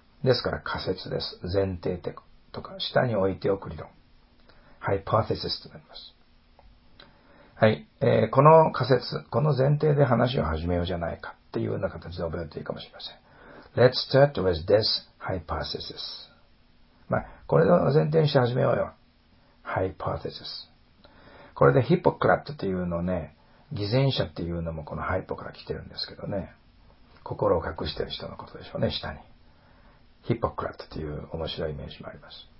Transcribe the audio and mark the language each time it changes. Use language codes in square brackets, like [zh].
[ja] ですから仮説です。前提とか、下に置いておく理論。ハイパーテシスとなります。はい。この仮説、この前提で話を始めようじゃないかっていうような形で覚えるといいかもしれません。 [en] Let's start with this hypothesis. [ja] まあ、これを前提にして始めようよ。 [en] Hypothesis。 [ja] これでヒポクラテというのね、偽善者っていうのもこのハイポから来てるんですけどね。心を隠してる人のことでしょうね、下に。ヒポクラテという面白いイメージもあります。